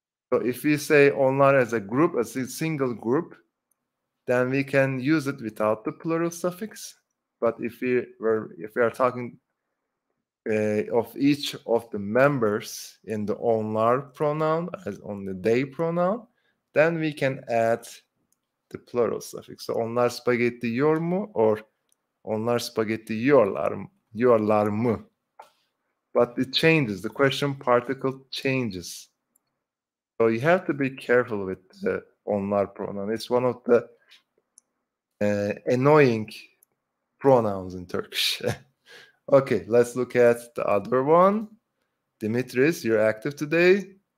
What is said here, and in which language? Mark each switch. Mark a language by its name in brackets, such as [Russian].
[English] So if we say onlar as a group, as a single group, then we can use it without the plural suffix. But if we are talking of each of the members in the onlar pronoun, as on the they pronoun, then we can add the plural suffix. [Turkish] So onlar spaghetti yiyor mu or onlar spaghetti yiyorlar mı? [English] But it changes. The question particle changes. So you have to be careful with the onlar pronoun. It's one of the annoying pronouns in Turkish. Okay, let's look at the other one. Dimitris, you're active today.